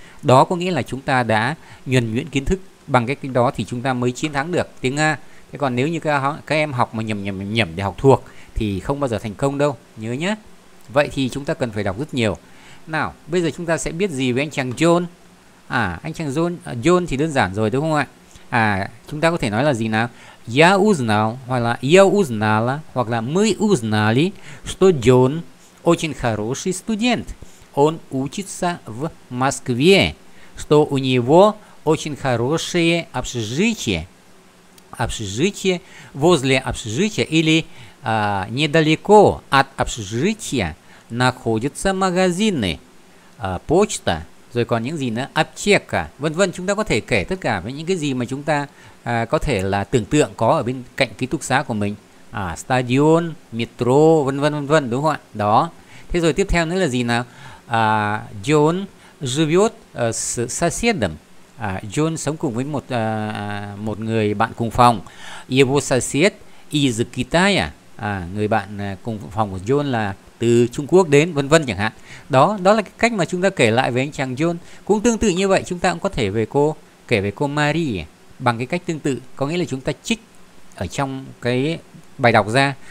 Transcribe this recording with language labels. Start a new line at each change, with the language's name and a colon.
Vietnamese: Đó có nghĩa là chúng ta đã nhuần nhuyễn kiến thức. Bằng cái cách đó thì chúng ta mới chiến thắng được tiếng Nga. Thế còn nếu như các em học mà nhầm để học thuộc thì không bao giờ thành công đâu. Nhớ nhé. Vậy thì chúng ta cần phải đọc rất nhiều. Nào, bây giờ chúng ta sẽ biết gì về anh chàng John? À, anh chàng John, John thì đơn giản rồi đúng không ạ? À, chúng ta có thể nói là gì nào?
Russian: Я узнал,
Vietnamese: hoặc là
Russian: я узнала, hoặc là мы узнали, что John очень хороший студент. Он учится в Москве. Что у него очень хорошее общежитие. Общежитие, возле общежития или недалеко от общежития находятся магазины, почта,
Vietnamese: rồi còn những gì nữa,
Russian: аптека, vân vân.
Vietnamese: Chúng ta có thể kể tất cả với những cái gì mà chúng ta có thể là tưởng tượng có ở bên cạnh ký túc xá của mình. À, stadion, metro, vân vân, đúng không ạ? Đó. Thế rồi tiếp theo nữa là gì nào?
Russian: John живет с соседом.
Vietnamese: John sống cùng với một một người bạn cùng phòng.
Russian: Его сосед из Китая.
Vietnamese: À, người bạn cùng phòng của John là từ Trung Quốc đến, vân vân chẳng hạn. Đó, đó là cái cách mà chúng ta kể lại về anh chàng John. Cũng tương tự như vậy, chúng ta cũng có thể về cô kể về cô Marie bằng cái cách tương tự, có nghĩa là chúng ta trích ở trong cái bài đọc ra.